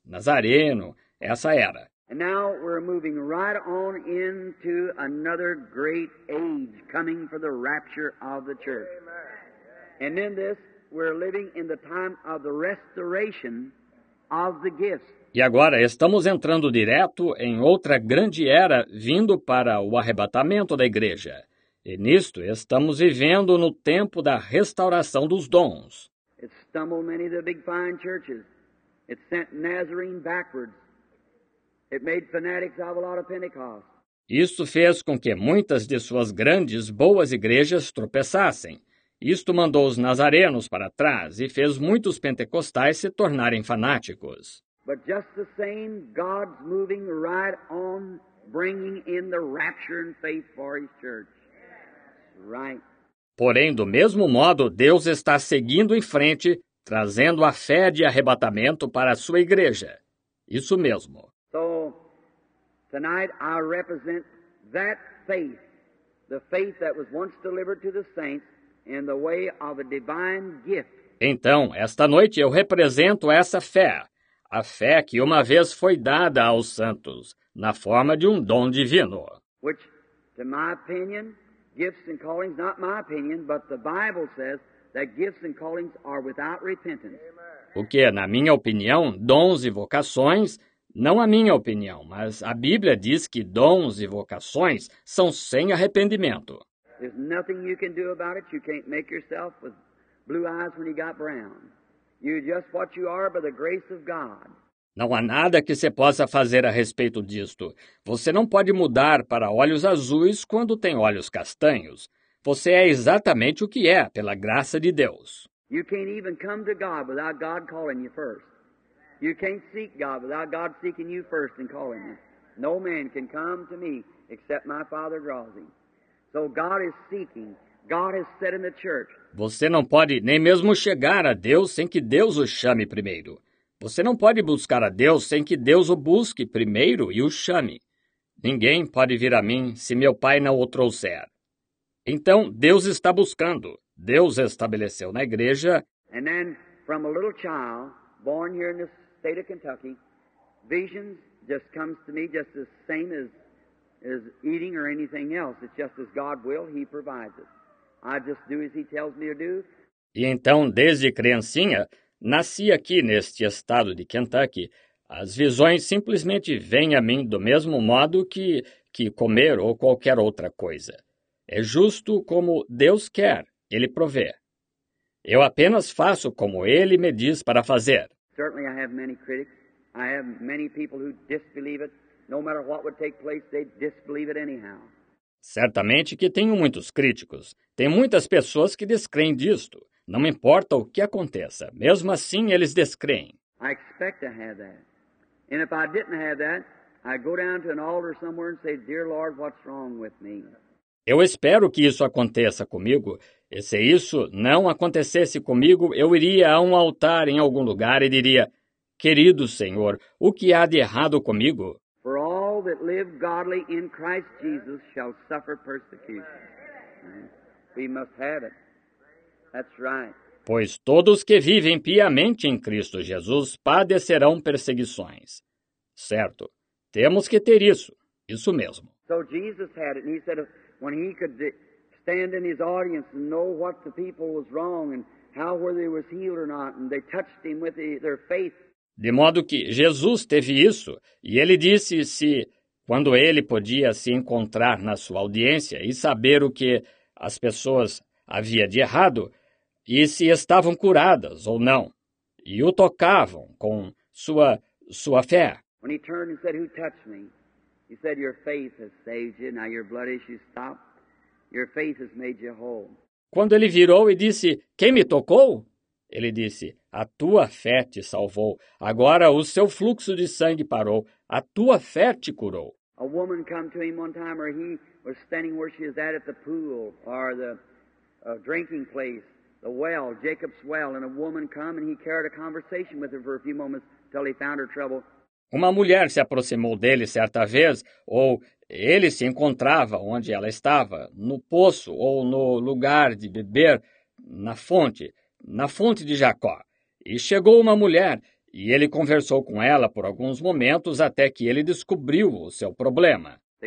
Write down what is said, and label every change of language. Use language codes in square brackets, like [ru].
[pt] Nazareno, essa era. [en] And now we're moving right on into another great age coming for the rapture of the church. And in this, we're living in the time of the restoration of the gifts. [pt] E agora estamos entrando direto em outra grande era vindo para o arrebatamento da igreja. E nisto estamos vivendo no tempo da restauração dos dons. [en] It stumbled many of the big fine churches. It sent Nazarene backwards. It made fanatics of a lot of Pentecost. [pt] Isto fez com que muitas de suas grandes, boas igrejas tropeçassem. Isto mandou os nazarenos para trás e fez muitos pentecostais se tornarem fanáticos. [en] But just the same, God's moving right on bringing in the rapture and faith for his church. Right. [pt] Porém, do mesmo modo, Deus está seguindo em frente, trazendo a fé de arrebatamento para a sua igreja. Isso mesmo. [en] So, tonight I represent that faith, the faith that was once delivered to the saints in the way of a divine gift. [pt] Então, esta noite eu represento essa fé, a fé que uma vez foi dada aos santos, na forma de um dom divino. [en] Which, to my opinion, gifts and callings, not my opinion, but the Bible says that gifts and callings are without repentance. [pt] O que, na minha opinião, dons e vocações, não a minha opinião, mas a Bíblia diz que dons e vocações são sem arrependimento. [en] There's nothing you can do about it. You can't make yourself with blue eyes when you got brown. You're just what you are by the grace of God. [pt] Não há nada que se possa fazer a respeito disto. Você não pode mudar para olhos azuis quando tem olhos castanhos. Você é exatamente o que é, pela graça de Deus. [en] You can't even come to God without God calling you first. You can't seek God without God seeking you first and calling you. No man can come to me except my Father draws him. So God is seeking. God has said in the church. [pt] Você não pode nem mesmo chegar a Deus sem que Deus o chame primeiro. Você não pode buscar a Deus sem que Deus o busque primeiro e o chame. Ninguém pode vir a mim se meu Pai não o trouxer. Então, Deus está buscando. Deus estabeleceu na igreja. [en] And then, from a little child, born here in the state of Kentucky, visions just comes to me just the same as eating or anything else. It's just as God will, he provides it. I just do as he tells me to do. [pt] E então, desde criancinha, nasci aqui neste estado de Kentucky. As visões simplesmente vêm a mim do mesmo modo que comer ou qualquer outra coisa. É justo como Deus quer, Ele provê. Eu apenas faço como Ele me diz para fazer. [en] Certainly I have many critics. I have many people who disbelieve it. No matter what would take place, they disbelieve it anyhow. [pt] Certamente que tenho muitos críticos. Tem muitas pessoas que descreem disto. Não importa o que aconteça, mesmo assim eles descreem. [en] I expect to have that. And if I didn't have that, I go down to an altar somewhere and say, "Dear Lord, what's wrong with me?" [pt] Eu espero que isso aconteça comigo, e se isso não acontecesse comigo, eu iria a um altar em algum lugar e diria, querido Senhor, o que há de errado comigo? [en] For all that live godly in Christ Jesus shall suffer persecution. We must have it. That's right. [pt] Pois todos que vivem piamente em Cristo Jesus padecerão perseguições. Certo, temos que ter isso, isso mesmo. [en] So Jesus had it, and he said, when he could stand in his audience and know what the people was wrong and how whether he was healed or not, and they touched him with their faith. [pt] De modo que Jesus teve isso, e ele disse se, quando ele podia se encontrar na sua audiência e saber o que as pessoas havia de errado, e se estavam curadas ou não, e o tocavam com sua fé. [en] When he turned and said, "Who touched me?" He said, "Your faith has saved you. Now your blood issue stopped. Your faith has made you whole." [pt] Quando ele virou e disse, "Quem me tocou?" Ele disse, "A tua fé te salvou. Agora o seu fluxo de sangue parou. A tua fé te curou." [en] A woman came to him one time, or he was standing where she was at the pool, or the drinking place, the well, Jacob's well, and a woman came, and he carried a conversation with her for a few moments till he found her trouble. [pt] Uma mulher se aproximou dele certa vez, ou ele se encontrava onde ela estava, no poço ou no lugar de beber, na fonte de Jacó. E chegou uma mulher, e ele conversou com ela por alguns momentos até que ele descobriu o seu problema.